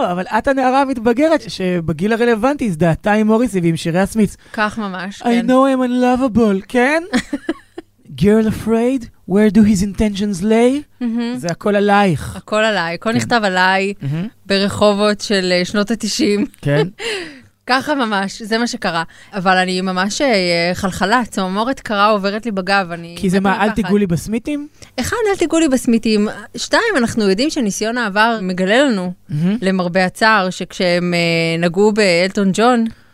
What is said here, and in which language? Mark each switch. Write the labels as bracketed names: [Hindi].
[Hebrew] לא, אבל את הנערה המתבגרת, שבגיל הרלוונטי, זדעתה עם מוריסי ועם שירי הסמיץ. כך ממש, [English] כן. I know I'm unlovable, כן? Girl afraid, where do his intentions lay? [Hebrew] זה הכל עלייך. הכל עליי, הכל נכתב עליי ברחובות של שנות ה-90. כן. ככה ממש, זה מה שקרה. אבל אני ממש חלחלה, צמרמורת קרה עוברת לי בגב. כי זה מה, אל תיגעו לי בסמיתים? אחד, אל תיגעו לי בסמיתים. שתיים, אנחנו יודעים שניסיון העבר מגלה לנו, למרבה הצער, שכשהם נגעו באלטון ג'ון,